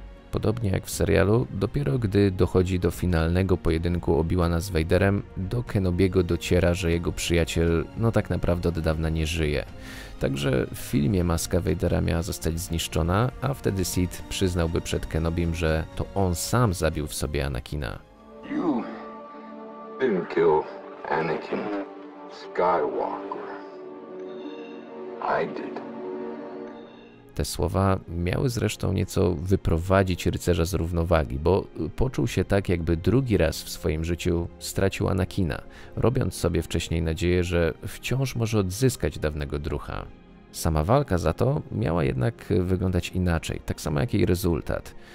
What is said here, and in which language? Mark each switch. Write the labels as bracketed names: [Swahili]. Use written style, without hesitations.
[Polish] Podobnie jak w serialu, dopiero gdy dochodzi do finalnego pojedynku Obi-Wana z Vaderem, do Kenobiego dociera, że jego przyjaciel no tak naprawdę od dawna nie żyje. Także w filmie maska Vadera miała zostać zniszczona, a wtedy Sith przyznałby przed Kenobim, że to on sam zabił w sobie Anakina. [English] You didn't kill Anakin Skywalker. I did. [Polish] Te słowa miały zresztą nieco wyprowadzić rycerza z równowagi, bo poczuł się tak, jakby drugi raz w swoim życiu stracił Anakina, robiąc sobie wcześniej nadzieję, że wciąż może odzyskać dawnego druha. Sama walka za to miała jednak wyglądać inaczej, tak samo jak jej rezultat.